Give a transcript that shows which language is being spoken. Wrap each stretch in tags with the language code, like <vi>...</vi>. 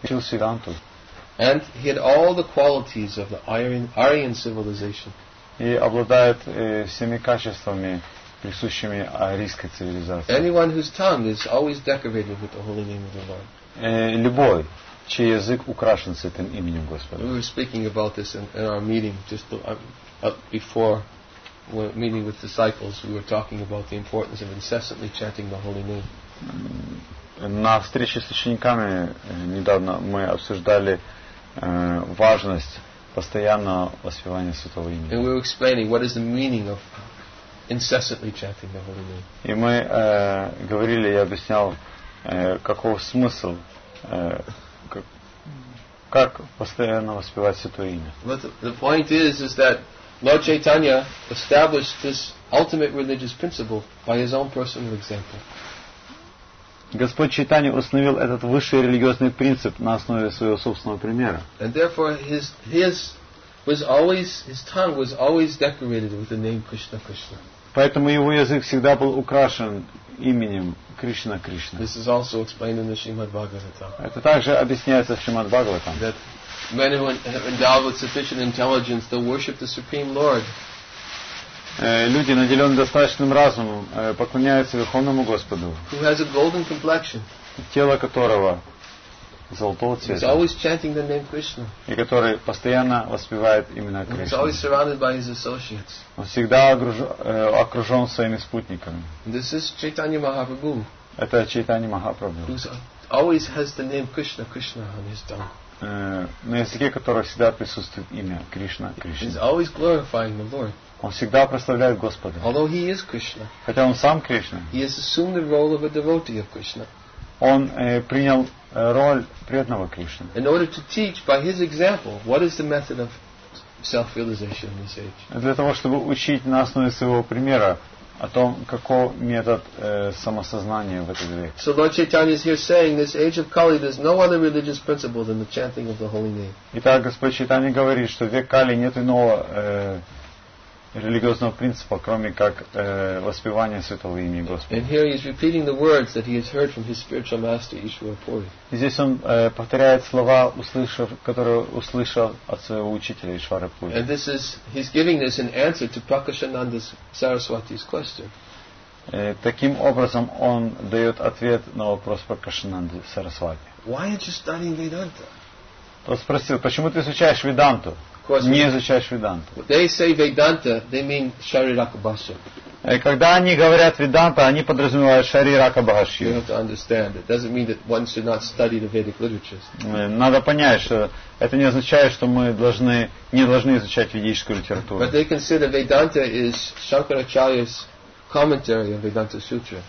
<en>And he had all the qualities of the Aryan civilization.</en> <ru>И обладает всеми качествами, присущими арийской цивилизации.</ru> <en>Anyone whose tongue is always decorated with the holy name of the Lord.</en> <ru>Любой, чей язык украшен святым именем Господа.</ru> <en>We were speaking about this in our meeting just before meeting with disciples. We were talking about the importance of incessantly chanting the holy name.</en> <ru>На встрече с учениками недавно мы обсуждали важность постоянного воспевания святого имени.</ru> <en>And we were explaining what is the meaning of incessantly chanting the holy name.</en> <ru>И мы говорили, я объяснял, каков смысл, как постоянно воспевать святое имя.</ru> <en>But the point is that Lord Chaitanya established this ultimate religious principle by his own personal example.</en> <ru>Господь Чайтанья установил этот высший религиозный принцип на основе своего собственного примера.</ru> <en>And therefore his tongue was always decorated with the name Krishna Krishna.</en> <ru>Поэтому его язык всегда был украшен именем Кришна Кришна.</ru> <en>This is also explained in the Shrimad Bhagavatam.</en> <ru>Это также объясняется в Шримад Бхагаватам.</ru> <en>That men who have endowed with sufficient intelligence, they worship the Supreme Lord.</en> <ru>Люди, наделенные достаточным разумом, поклоняются Верховному Господу.</ru> <en>Who has a golden complexion.</en> <ru>Тело которого золотого цвета.</ru> <en>He's always chanting the name Krishna.</en> <ru>И который постоянно воспевает имена Кришны.</ru> <en>He's always surrounded by his associates.</en> <ru>Он всегда окружен своими спутниками.</ru> <en>This is Chaitanya Mahaprabhu.</en> <ru>Это Чайтанья Махапрабху.</ru> <en>Who always has the name Krishna, Krishna on his tongue.</en> <ru>На языке которого всегда присутствует имя Кришна, Кришна.</ru> <en>He's always glorifying the Lord.</en> <ru>Он всегда прославляет Господа.</ru> <en>Although he is Krishna.</en> <ru>Хотя он сам Кришна.</ru> <en>He has assumed the role of a devotee of Krishna.</en> <ru>Он принял роль преданного Кришны.</ru> <en>In order to teach by his example, what is the method of self-realization in this age?</en> <ru>Для того, чтобы учить на основе своего примера о том, какой метод самосознания в этот век.</ru> <en>So Lord Chaitanya is here saying, this age of Kali, there's no other religious principle than the chanting of the holy name.</en> <ru>Итак, Господь Чайтанья говорит, что в век Кали нет иного религиозного принципа, кроме как воспевание святого имени Господа.</ru> <en>And here he is repeating the words that he has heard from his spiritual master Ishwara Puri.</en> <ru>И здесь он повторяет слова, которые услышал от своего учителя Ишвара Пури.</ru> <en>And this is he's giving this in answer to Prakashananda Saraswati's question.</en> <ru>Таким образом он дает ответ на вопрос Пракашананды Сарасвати.</ru> <en>Why are you studying Vedanta?</en> <ru>Он спросил, почему ты изучаешь Веданту? Не изучаешь Веданту.</ru> <en>They say Vedanta, they mean Шарирака Бхашья.</en> <ru>Когда они говорят Веданта, они подразумевают Шарирака Бхашья.</ru> <en>You have to understand. It doesn't mean that one should not study the Vedic literatures.</en> <ru>Надо понять, что это не означает, что мы должны не должны изучать ведическую литературу.</ru> <en>But they consider Vedanta is Shankaracharya's commentary on Vedanta Sutra.</en>